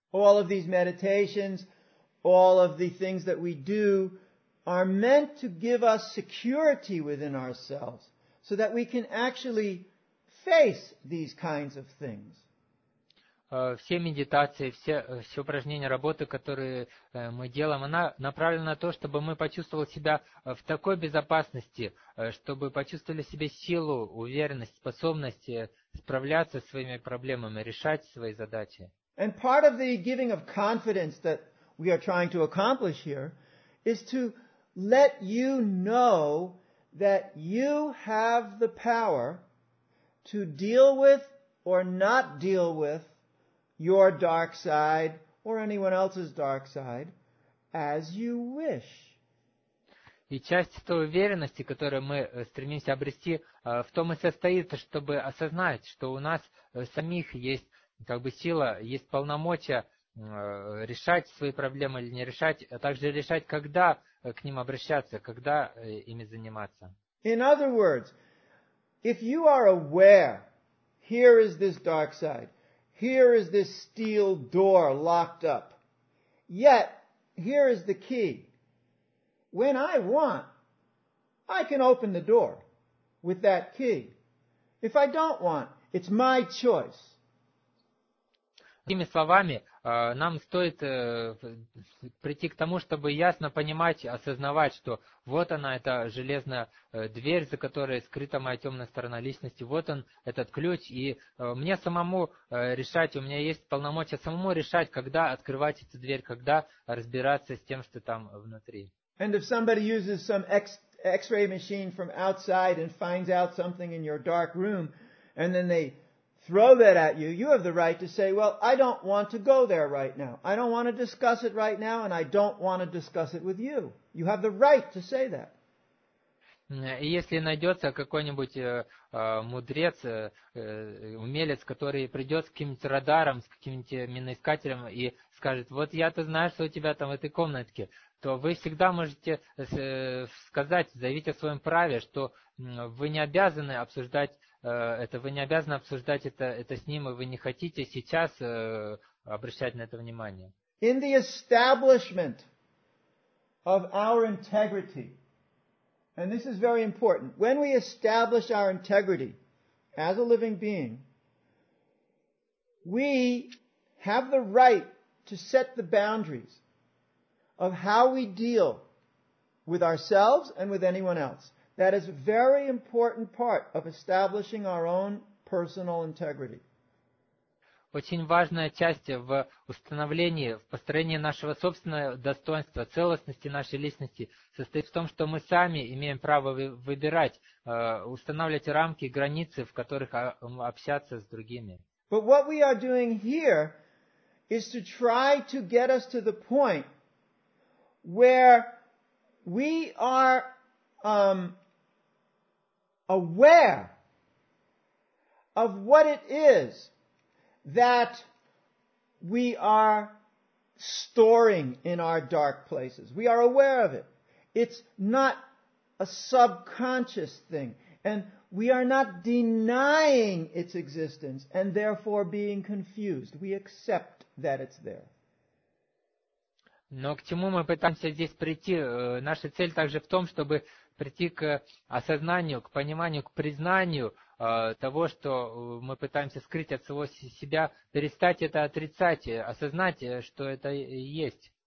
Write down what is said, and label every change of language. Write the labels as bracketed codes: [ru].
[en] All of these meditations, all of the things that we do, are meant to give us security within ourselves so that we can actually face these kinds of things. [ru] Все медитации, все упражнения, работы, которые мы делаем, она направлена на то, чтобы мы почувствовали себя в такой безопасности, чтобы почувствовали в себе силу, уверенность, способность справляться со своими проблемами, решать свои задачи. [en] And part of the giving of confidence that we are trying to accomplish here is to let you know that you have the power to deal with or not deal with your dark side or anyone else's dark side as you wish. [ru] И часть той уверенности, которую мы стремимся обрести, в том и состоит, чтобы осознать, что у нас самих есть как бы сила, есть полномочия решать свои проблемы или не решать, а также решать, когда к ним обращаться, когда ими заниматься. [en] In other words, if you are aware, here is this dark side, here is this steel door locked up, yet here is the key. When I want, I can open the door with that key. If I don't want, it's my choice. [ru] Другими словами, нам стоит прийти к тому, чтобы ясно понимать, осознавать, что вот она, эта железная дверь, за которой скрыта моя темная сторона личности, вот он, этот ключ, и мне самому решать, у меня есть полномочия самому решать, когда открывать эту дверь, когда разбираться с тем, что там внутри. [en] And if somebody uses some X-ray machine from outside and finds out something in your dark room, and then they throw that at you, you have the right to say, well, I don't want to go there right now. I don't want to discuss it right now, and I don't want to discuss it with you. You have the right to say that. [ru] И если найдется какой-нибудь мудрец, умелец, который придет с каким-нибудь радаром, с каким-нибудь миноискателем и скажет, вот я-то знаю, что у тебя там в этой комнатке, то вы всегда можете сказать, заявить о своем праве, что вы не обязаны обсуждать это, вы не обязаны обсуждать это с ним, и вы не хотите сейчас обращать на это внимание. [en] In the establishment of our integrity. And this is very important. When we establish our integrity as a living being, we have the right to set the boundaries of how we deal with ourselves and with anyone else. That is a very important part of establishing our own personal integrity. [ru] Очень важная часть в установлении, в построении нашего собственного достоинства, целостности нашей личности состоит в том, что мы сами имеем право выбирать, устанавливать рамки, границы, в которых общаться с другими. [en] But what we are doing here is to try to get us to the point where we are aware of what it is that we are storing in our dark places. We are aware of it. It's not a subconscious thing. And we are not denying its existence and therefore being confused. We accept that it's there. [ru] Но к чему мы пытаемся здесь прийти? Наша цель также в том, чтобы прийти к осознанию, к пониманию, к признанию того, что мы пытаемся скрыть от самого себя, перестать это отрицать, осознать, что это есть.